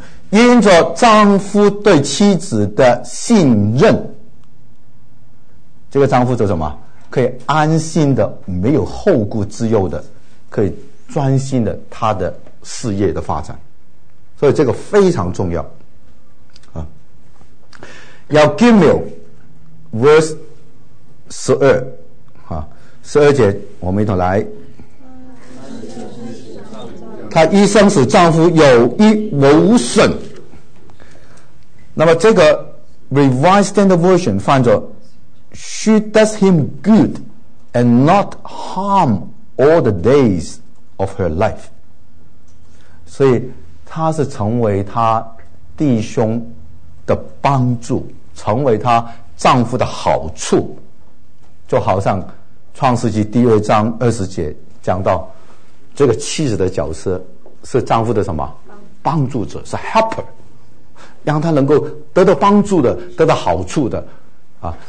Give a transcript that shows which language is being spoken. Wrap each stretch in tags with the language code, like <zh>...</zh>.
<zh>因着丈夫对妻子的信任，这个丈夫就什么，可以安心的，没有后顾之忧的，可以专心的他的事业的发展，所以这个非常重要啊。要 Gimel verse 12啊，12节我们一同来。她一生使丈夫有益无损。那么这个</zh> <en>Revised Standard Version</en> <zh>翻作</zh> <en>She does him good and not harm all the days of her life。</en> <zh>所以她是成为她弟兄的帮助，成为她丈夫的好处，就好像创世纪第二章20节讲到这个妻子的角色是丈夫的什么帮助者，是 helper， 让他能够得到帮助的，得到好处的啊。</zh>